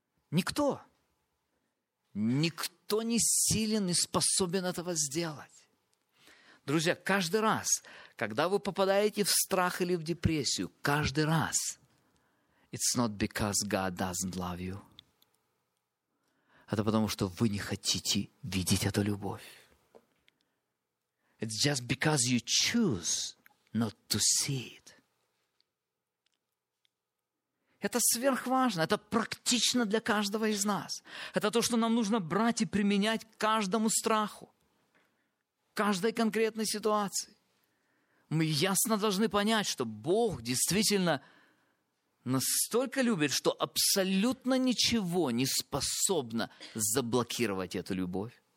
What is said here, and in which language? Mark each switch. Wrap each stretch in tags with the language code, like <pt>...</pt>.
<ru>Никто не силен и способен этого сделать. Друзья, каждый раз, когда вы попадаете в страх или в депрессию, каждый раз,</ru> <en>it's not because God doesn't love you.</en> <ru>Это потому, что вы не хотите видеть эту любовь.</ru> <en>It's just because you choose not to see it.</en> <ru>Это сверхважно, это практично для каждого из нас. Это то, что нам нужно брать и применять к каждому страху, к каждой конкретной ситуации. Мы ясно должны понять, что Бог действительно настолько любит, что абсолютно ничего не способно заблокировать эту любовь.</ru>